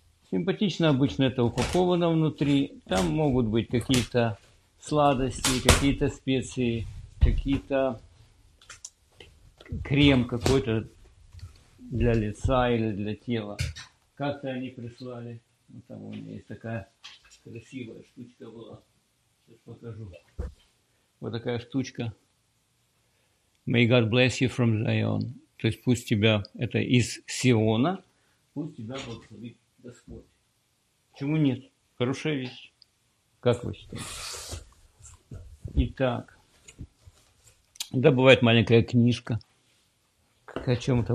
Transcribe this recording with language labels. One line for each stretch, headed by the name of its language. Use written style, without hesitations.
Russian: Симпатично обычно это упаковано внутри. Там могут быть какие-то сладости, какие-то специи, какие-то крем какой-то для лица или для тела. Как-то они прислали. Вот там у меня есть такая красивая штучка была. Сейчас покажу. Вот такая штучка.
English: May God bless you from Zion.
Russian: То есть пусть тебя, это из Сиона, пусть тебя благословит Господь. Почему нет? Хорошая вещь. Как вы считаете? Итак. Да, бывает маленькая книжка. Как о чем-то.